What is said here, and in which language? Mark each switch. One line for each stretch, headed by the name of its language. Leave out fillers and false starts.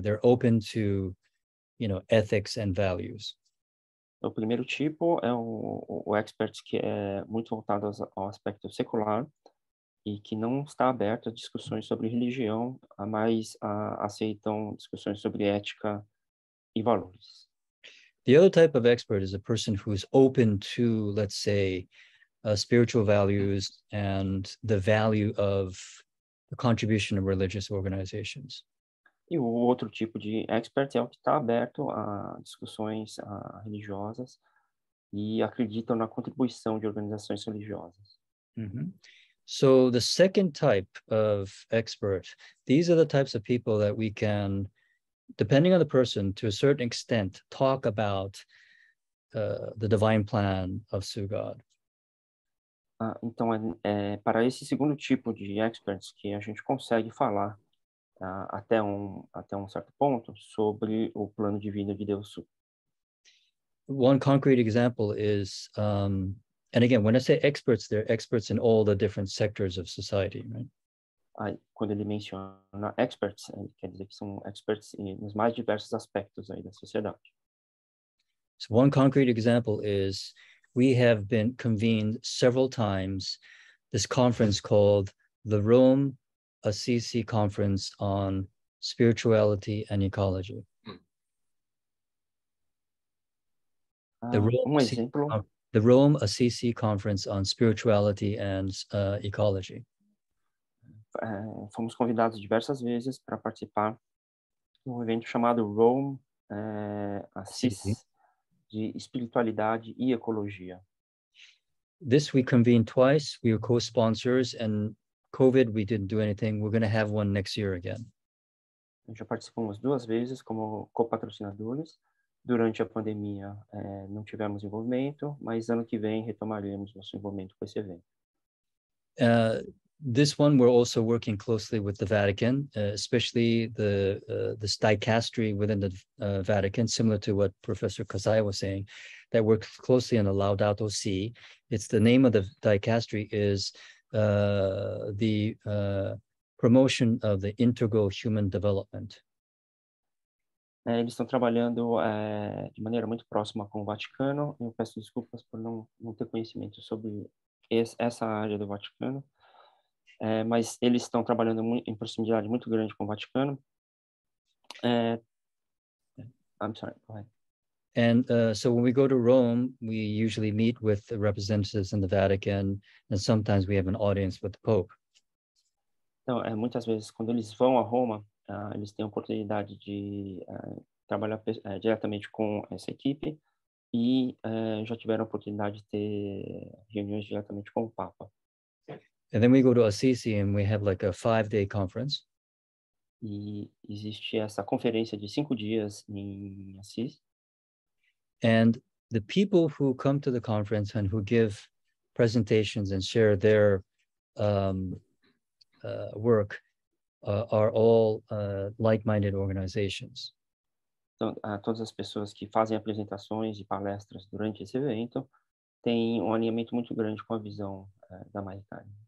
English: They're open to, you know, ethics and values.
Portuguese: O primeiro tipo é o expert que é muito voltado ao aspecto secular, e que não está aberto a discussões sobre religião, mas aceitam discussões sobre ética e valores.
English: The other type of expert is a person who is open to, let's say, spiritual values and the value of the contribution of religious organizations.
Portuguese: E o outro tipo de expert é o que está aberto a discussões religiosas e acreditam na contribuição de organizações religiosas. Uhum.
English: So the second type of expert, these are the types of people that we can, depending on the person, to a certain extent, talk about the divine plan of Sugod.
Portuguese: Então, para esse segundo tipo de experts que a gente consegue falar até um certo ponto sobre o plano divino de Deus Su.
English: One concrete example is and again, when I say experts, they're experts in all the different sectors of society, right?
Portuguese: Quando ele menciona experts, ele quer dizer que são experts nos mais diversos aspectos aí da sociedade.
English: So one concrete example is we have been convened several times this conference called the Rome Assisi Conference on spirituality and ecology. The Rome Assisi Conference on Spirituality and Ecology.
Portuguese: Fomos convidados diversas vezes para participar de um evento chamado Rome Assisi de espiritualidade e ecologia.
English: This we convened twice. We were co-sponsors, and COVID, we didn't do anything. We're going to have one next year again.
Portuguese: Já participamos duas vezes como co-patrocinadores. Durante a pandemia, não tivemos envolvimento, mas ano que vem retomaremos nosso envolvimento com esse evento.
English: This one, we're also working closely with the Vatican, especially the dicastery within the Vatican, similar to what Professor Kassai was saying, that works closely in the Laudato Si. It's the name of the dicastery is the promotion of the integral human development.
Portuguese: Eles estão trabalhando de maneira muito próxima com o Vaticano. Eu peço desculpas por não ter conhecimento sobre essa área do Vaticano. Mas eles estão trabalhando em proximidade muito grande com o Vaticano.
English: I'm sorry, go ahead. And so when we go to Rome, we usually meet with the representatives in the Vatican, and sometimes we have an audience with the Pope.
Portuguese: Então, muitas vezes, quando eles vão a Roma, eles têm a oportunidade de trabalhar diretamente com essa equipe e já tiveram a oportunidade de ter reuniões diretamente com o Papa.
English: And then we go to Assisi and we have like a 5-day conference.
Portuguese: E existe essa conferência de 5 dias em Assisi.
English: And the people who come to the conference and who give presentations and share their work are all like-minded organizations.
Portuguese: Então, todas as pessoas que fazem apresentações e palestras durante esse evento têm um alinhamento muito grande com a visão da Maritime.